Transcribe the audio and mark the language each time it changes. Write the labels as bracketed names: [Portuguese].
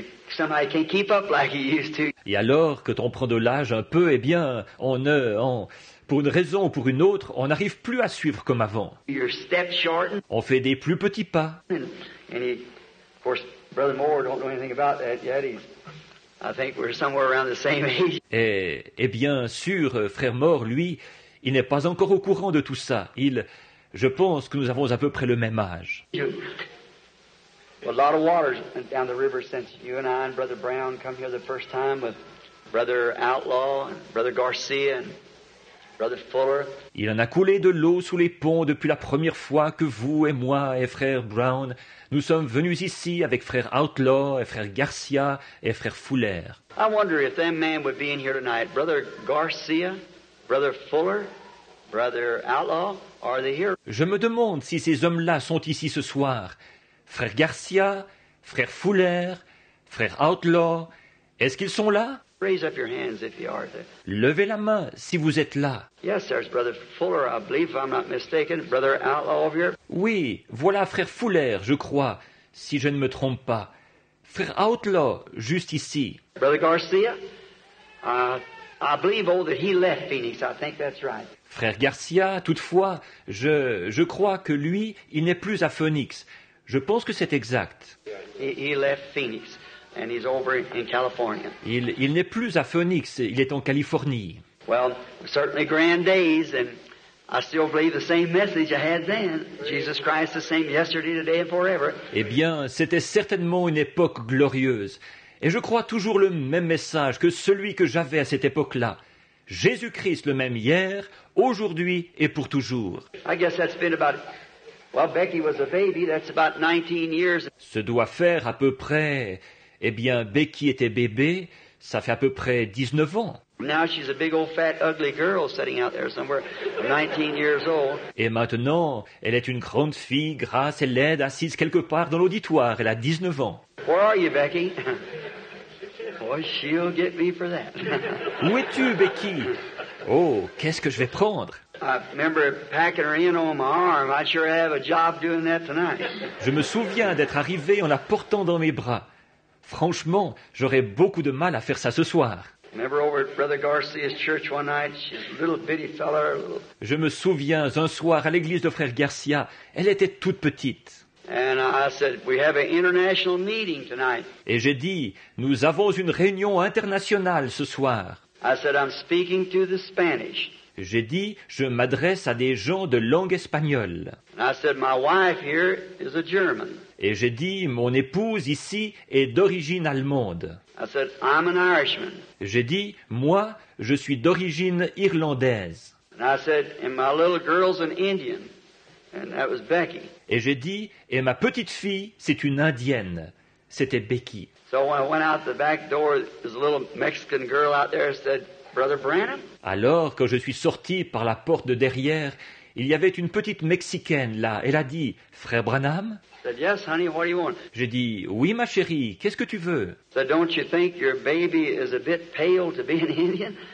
[English] Somebody can't keep up like he used to. [French] Et alors, quand on prend de l'âge un peu, eh bien, pour une raison ou pour une autre, on n'arrive plus à suivre comme avant. [English] Your step shortened. [French] On fait des plus petits pas. [English] And he, of course, Brother Moore don't know anything about that yet. He's, I think we're somewhere around the same age. [French] Et bien sûr, Frère Moore, lui, il n'est pas encore au courant de tout ça. Je pense que nous avons à peu près le même âge. [English] A lot of water's down the river since you and I and Brother Brown come here the first time with Brother Outlaw and Brother Garcia and Brother Fuller. [French] Il en a coulé de l'eau sous les ponts depuis la première fois que vous et moi et Frère Brown nous sommes venus ici avec Frère Outlaw et Frère Garcia et Frère Fuller. [English] I wonder if them men would be in here tonight, Brother Garcia, Brother Fuller, Brother Outlaw, are they here? [French] Je me demande si ces hommes-là sont ici ce soir. Frère Garcia, Frère Fuller, Frère Outlaw, est-ce qu'ils sont là? [English] Raise up your hands if you are there. [French] Levez la main si vous êtes là. [English] Yes, there's Brother Fuller, I believe, if I'm not mistaken. Brother Outlaw over here. [French] Oui, voilà Frère Fuller, je crois, si je ne me trompe pas. Frère Outlaw, juste ici. [English] Brother Garcia, I believe all that he left Phoenix, I think that's right. [French] Frère Garcia, toutefois, je crois que lui, il n'est plus à Phoenix. Je pense que c'est exact. [English] He left Phoenix and he's over in California. [French] Il n'est plus à Phoenix, il est en Californie. [English] Well, certainly grand days and I still believe the same message I had then. Jesus Christ the same yesterday, today and forever. [French] Eh bien, c'était certainement une époque glorieuse et je crois toujours le même message que celui que j'avais à cette époque-là. Jésus-Christ le même hier, aujourd'hui et pour toujours. [English] I guess that's been about Well, Becky was a baby, that's about 19 years. [French] Ce doit faire à peu près, eh bien, Becky était bébé, ça fait à peu près 19 ans. [English] Now she's a big old fat ugly girl sitting out there somewhere, 19 years old. [French] Et maintenant, elle est une grande fille, grasse et laide, assise quelque part dans l'auditoire, elle a 19 ans. [English] Where are you, Becky? Boy, she'll get me for that. [French] Où es-tu, Becky? Oh, qu'est-ce que je vais prendre? [English] I remember packing her in on my arm. I sure have a job doing that tonight. [French] Je me souviens d'être arrivé en la portant dans mes bras. Franchement, j'aurais beaucoup de mal à faire ça ce soir. [English] Remember over at Brother Garcia's church one night, she's a little bitty fella. [French] Je me souviens un soir à l'église de frère Garcia, elle était toute petite. [English] And I said, we have an international meeting tonight. [French] Et j'ai dit, nous avons une réunion internationale ce soir. [English] I said, I'm speaking to the Spanish. [French] J'ai dit, je m'adresse à des gens de langue espagnole. [English] And I said, my wife here is a German. [French] Et j'ai dit, mon épouse ici est d'origine allemande. [English] I said, I'm an Irishman. [French] J'ai dit, moi, je suis d'origine irlandaise. [English] And I said, and my little girl's an Indian. And that was Becky. [French] Et j'ai dit, et ma petite fille, c'est une indienne. C'était Becky. [English] So when I went out the back door, there's a little Mexican girl out there said, Brother Branham? [French] Alors que je suis sorti par la porte de derrière, il y avait une petite Mexicaine là. Elle a dit, Frère Branham? [English] Said, yes, honey, what do you want? [French] J'ai dit, oui, ma chérie, qu'est-ce que tu veux? [English] Said, don't you think your baby is a bit pale to be an Indian?